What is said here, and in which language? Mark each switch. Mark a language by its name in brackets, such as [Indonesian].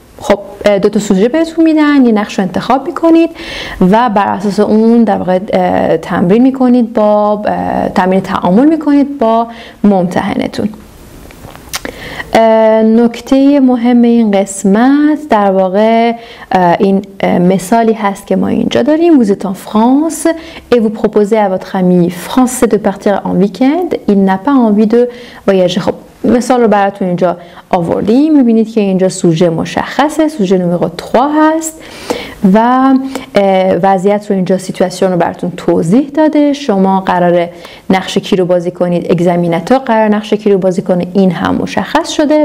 [Persian] خب دو تا سوژه بهتون میدن، یه نقش رو انتخاب میکنید و بر اساس اون در واقع تمرین میکنید، با تمرین تعامل میکنید با ممتحنتون. نکته مهم این قسمت در واقع این مثالی هست که ما اینجا داریم. [French] Vous êtes en France et vous proposez à votre ami français de partir en week-end. Il n'a pas envie de voyager. [Persian] خب مثال رو براتون اینجا آوردیم. میبینید که اینجا سوژه مشخصه، سوژه نمره 3 هست و وضعیت رو اینجا، سیتواسیون رو براتون توضیح داده. شما قراره نقش کی رو بازی کنید، اگزامیناتور قراره نقش کی رو بازی کنه، این هم مشخص شده.